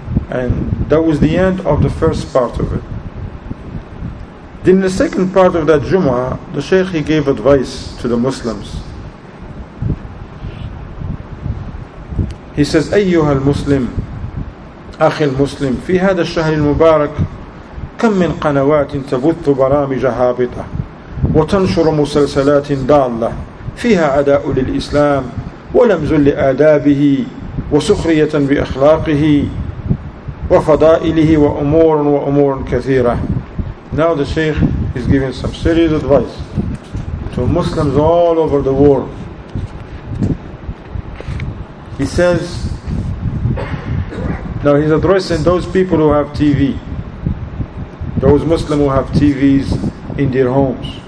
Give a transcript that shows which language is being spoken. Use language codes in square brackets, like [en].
[en] And that was the end of the first part of it. Then the second part of that Jumu'ah, the Shaykh, he gave advice to the Muslims. He says, [ar] أيها المسلم أخي المسلم في هذا الشهر المبارك كم من قنوات تبث برامج هابطة وتنشر مسلسلات ضالة فيها عداء للإسلام ولمز لآدابه وسخرية بأخلاقه وفضائله وأمور وأمور كثيرة. [en] Now the Shaykh is giving some serious advice to Muslims all over the world. He says, now he's addressing those people who have TV, those Muslims who have TVs in their homes.